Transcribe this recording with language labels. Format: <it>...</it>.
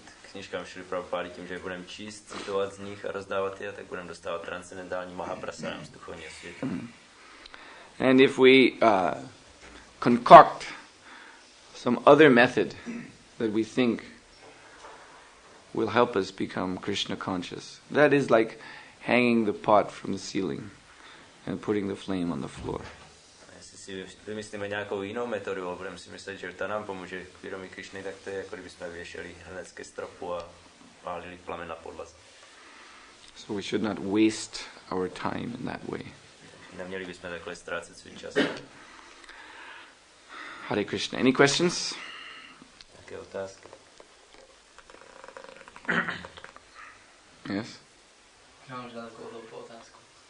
<cs>Knižkám Šrily Prabhupády tím, že je budeme číst, citovat z nich a rozdávat je, tak budeme dostávat transcendentální Mahaprasadam z duchovního světa.</cs> <en>And if we concoct some other method that we think will help us become Krishna conscious, that is like hanging the pot from the ceiling and putting the flame on the floor.</en> <cs>Jestli vymyslíme nějakou jinou metodu, ale budeme si myslet, že ta nám pomůže k vědomí Krišny, tak to je, jako kdybychom věšeli hned ke stropu a pálili plamen na podlaze.</cs> <en>So we should not waste our time in that way.</en> <cs>Neměli bychom takhle ztrácet svůj čas.</cs> <en>Hare Krishna, any questions?</en> <cs>Jaké otázky?</cs> <en>Yes?</en> <cs>Já mám žádnou hloupou otázku.</cs>